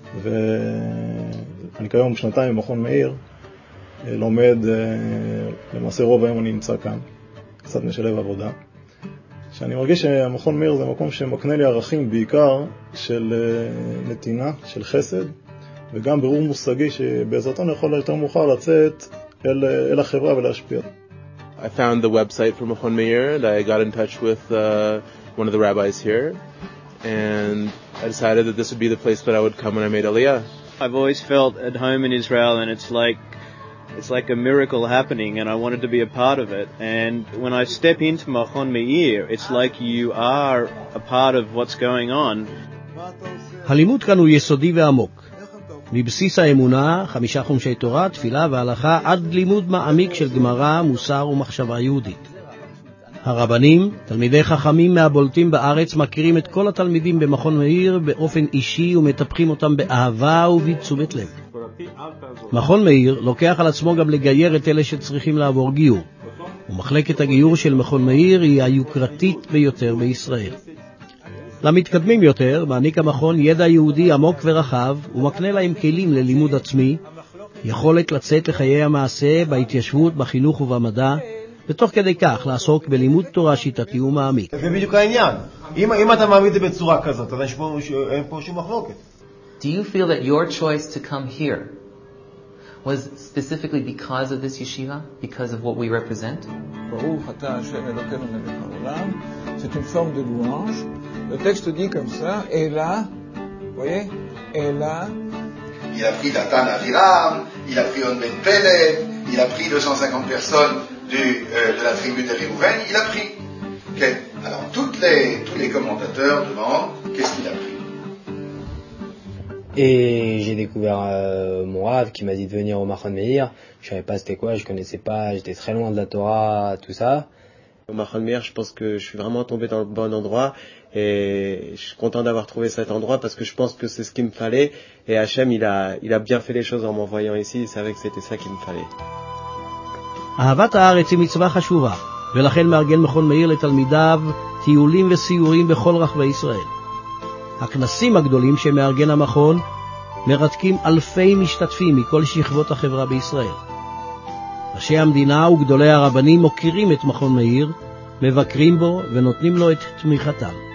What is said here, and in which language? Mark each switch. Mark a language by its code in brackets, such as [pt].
[he] ואני כיום שנתיים במכון מאיר, לומד, למעשה רוב היום אני נמצא כאן, קצת משלב עבודה, שאני מרגיש שהמכון מאיר זה מקום שמקנה לי ערכים בעיקר של נתינה, של חסד, וגם ברור מושגי שבעזרתו אני יכול יותר מאוחר לצאת אל החברה ולהשפיע. [en] I found the website for Mechon Meir that I got in touch with one of the rabbis here, and I decided that this would be the place that I would come when I made Aliyah. I've always felt at home in Israel, and it's like a miracle happening, and I wanted to be a part of it. And when I step into Mechon Meir, it's like you are a part of what's going on. [he] הלימוד כאן הוא יסודי ועמוק. מבסיס האמונה, חמישה חומשי תורה, תפילה והלכה, עד לימוד מעמיק של גמרא, מוסר ומחשבה יהודית. הרבנים, תלמידי חכמים מהבולטים בארץ, מכירים את כל התלמידים במכון מאיר באופן אישי ומטפחים אותם באהבה ובתשומת לב. מכון מאיר לוקח על עצמו גם לגייר את אלה שצריכים לעבור גיור, ומחלקת הגיור של מכון מאיר היא היוקרתית ביותר בישראל. למתקדמים יותר, מעניק המכון ידע יהודי עמוק ורחב, ומקנה להם כלים ללימוד עצמי, יכולת לצאת לחיי המעשה, בהתיישבות, בחינוך ובמדע, ותוך כדי כך לעסוק בלימוד תורה שיטתי ומעמיק. זה בדיוק העניין. אם אתה מעמיד את זה בצורה כזאת, אז אין פה שום מחלוקת. [en] Do you feel that your choice to come here was specifically because of this yeshiva, because of what we represent? [he] ברוך אתה אשר אלוקינו מלך העולם, [fr] c'est une forme de louange. Le texte dit comme ça, et là, vous voyez, et là, il a pris Datan Aviram, il a pris Onben Peled, il a pris 250 personnes de la tribu de Réhouven, il a pris. Okay. Alors, tous les commentateurs demandent, qu'est-ce qu'il a pris? Et j'ai découvert mon Rav qui m'a dit de venir au Mechon Meir. Je ne savais pas c'était quoi, je ne connaissais pas, j'étais très loin de la Torah, tout ça. Au Mechon Meir, je pense que je suis vraiment tombé dans le bon endroit. Et je suis content d'avoir trouvé cet endroit parce que je pense que c'est ce qu'il me fallait. Et Hachem, il a bien fait les choses en m'envoyant ici. Il savait que c'était ça qu'il me fallait. [he] אהבת הארץ היא מצווה חשובה, ולכן מארגן מכון מאיר לתלמידיו טיולים וסיורים בכל רחבי ישראל. הכנסים הגדולים שמארגן המכון מרתקים אלפי משתתפים מכל שכבות החברה בישראל. ראשי המדינה וגדולי הרבנים מוכירים את מכון מאיר, מבקרים בו ונותנים לו את תמיכתם.